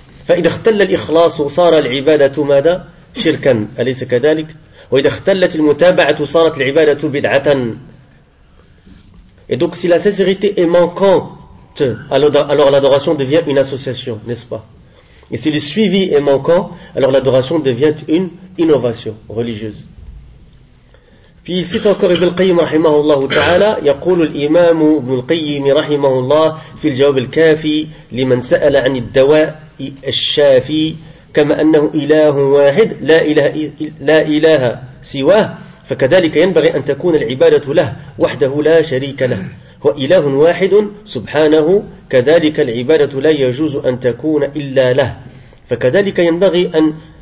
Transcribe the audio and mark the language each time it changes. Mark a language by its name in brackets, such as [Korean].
[Arabic] فإذا اختل الإخلاص صار العبادة ماذا؟ شركا أليس كذلك؟ وإذا اختلت المتابعة صارت العبادة بدعة. [French] Et donc si la sincérité est manquante, alors l'adoration devient une association, n'est-ce pas? Et si le suivi est manquant, alors l'adoration devient une innovation religieuse. Puis il cite encore Ibn al-Qayyim [Arabic] رحمه الله تعالى يقول الإمام ابن القيم رحمه الله في الجواب الكافي لمن سأل عن الدواء الشافي كما أنه إله واحد لا إله لا إله سواه فكذلك ينبغي أن تكون العبادة له وحده لا شريك له هو إله واحد سبحانه كذلك العبادة لا يجوز أن تكون إلا له فكذلك ينبغي أن